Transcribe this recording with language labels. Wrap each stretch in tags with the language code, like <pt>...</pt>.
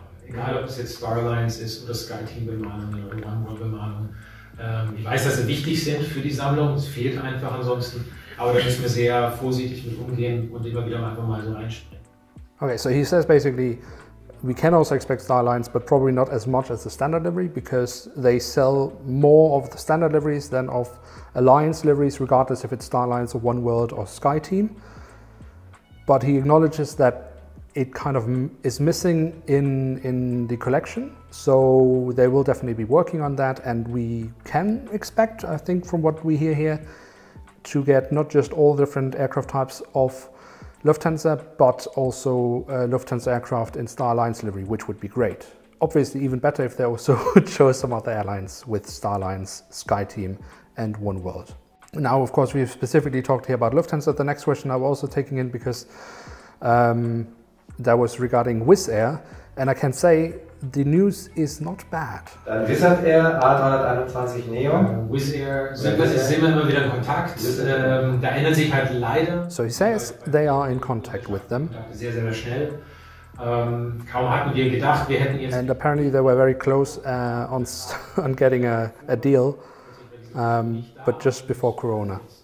<de>Egal ob es jetzt Star Alliance ist oder Skyteam Bemalung oder OneWorld Bemalung. Ich weiß, dass sie wichtig sind für die Sammlung, es fehlt einfach ansonsten, aber da müssen wir sehr vorsichtig mit umgehen und immer wieder einfach mal so einspringen.</de> <en>Okay, so he says basically, we can also expect Star Alliance, but probably not as much as the standard livery, because they sell more of the standard liveries than of Alliance liveries, regardless if it's Star Alliance or One World or SkyTeam. But he acknowledges that it kind of is missing in the collection, so they will definitely be working on that, and we can expect, I think, from what we hear here, to get not just all different aircraft types of Lufthansa, but also Lufthansa aircraft in Star Alliance livery, which would be great. Obviously, even better if they also chose some other airlines with Star Alliance, SkyTeam, and Oneworld. Now, of course, we've specifically talked here about Lufthansa. The next question I'm also taking in, because that was regarding Wizz Air, and I can say the news is not bad.</en> <de>Dann Wizz Air A321neo. Wizz Air, sind wir immer wieder in Kontakt. Da ändert sich halt leider.</de> <en>So he says they are in contact with them.</en> <de>Sehr, sehr schnell. Kaum hatten wir gedacht, wir hätten jetzt...</de> <en>And apparently they were very close on getting a deal, but just before Corona.</en>